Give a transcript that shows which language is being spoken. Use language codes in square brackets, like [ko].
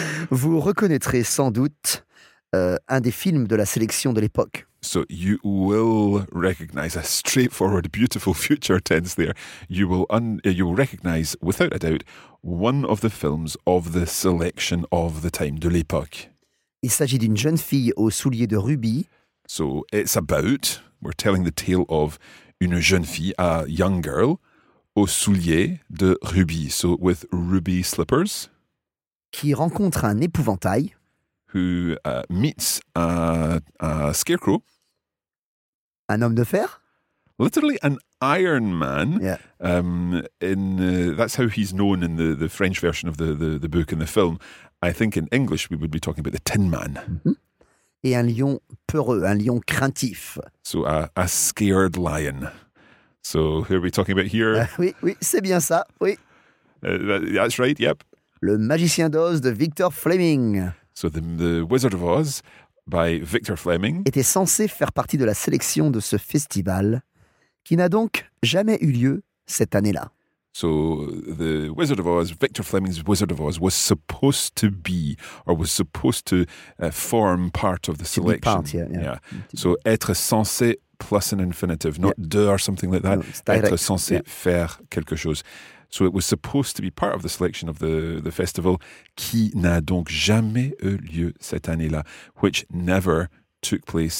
[fr] Vous reconnaîtrez sans doute un des films de la sélection de l'époque. [en] So you will recognize a straightforward, beautiful future tense there. You will recognize, without a doubt, one of the films of the selection of the time, [fr] de l'époque. Il s'agit d'une jeune fille aux souliers de rubis. [en] So it's about, we're telling the tale of [fr] une jeune fille, [en] a young girl, [fr] aux souliers de rubis. [en] So with ruby slippers. [fr] Qui rencontre un épouvantail. [en] Who meets a scarecrow. [fr] Un homme de fer? [en] Literally an Iron Man. Yeah. That's how he's known in the French version of the book and the film. I think in English we would be talking about the Tin Man. [fr] Mm-hmm. Et un lion peureux, un lion craintif. [en] So a scared lion. So who are we talking about here? [fr] Oui, c'est bien ça, oui. [en] That's right, yep. [fr] Le Magicien d'Oz de Victor Fleming. [en] So the Wizard of Oz by Victor Fleming [fr] était censé faire partie de la sélection de ce festival qui n'a donc jamais eu lieu cette année-là. [en] So the Wizard of Oz, Victor Fleming's Wizard of Oz, was supposed to form part of the selection. To be part, yeah. yeah. So [fr] être censé [en] plus an infinitive, not yeah. de or something like that. No, it's direct. [fr] Être censé [en] yeah. [fr] faire quelque chose. [en] So it was supposed to be part of the selection of the festival [fr] qui n'a donc jamais eu lieu cette année-là, [en] which never took place